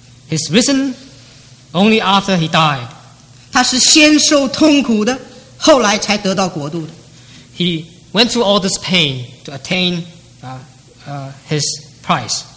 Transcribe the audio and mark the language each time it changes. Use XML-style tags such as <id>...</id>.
<en>He's risen only after he died.</en> <zh>他是先受痛苦的，后来才得到国度的。</zh> <en>He went through all this pain to attain his prize.</en>